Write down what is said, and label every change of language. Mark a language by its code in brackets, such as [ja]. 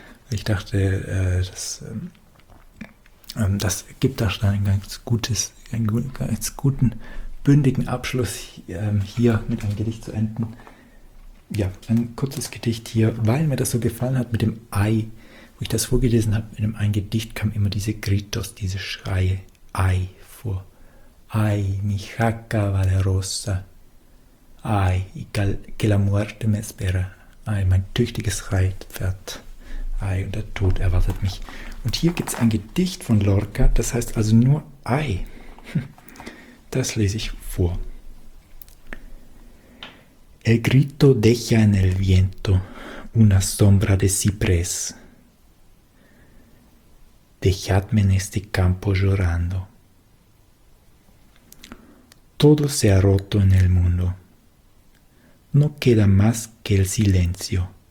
[de] Ich dachte, das gibt auch schon einen ganz guten bündigen Abschluss, hier mit einem Gedicht zu enden. Ja, ein kurzes Gedicht hier, weil mir das so gefallen hat mit dem Ei. Wo ich das vorgelesen habe, in einem Gedicht kam immer diese Gritos, diese Schreie, Ei, vor. [es] Ay, mi jaca vale rosa. Ay, y que la muerte me espera. [de] Ay, mein tüchtiges Reitpferd. Ay, und der Tod erwartet mich. Und hier gibt es ein Gedicht von Lorca, das heißt also nur Ay. Das lese ich vor. [es] El grito deja en el viento una sombra de ciprés. Dejadme en este campo llorando. Todo se ha roto en el mundo. No queda más que el silencio.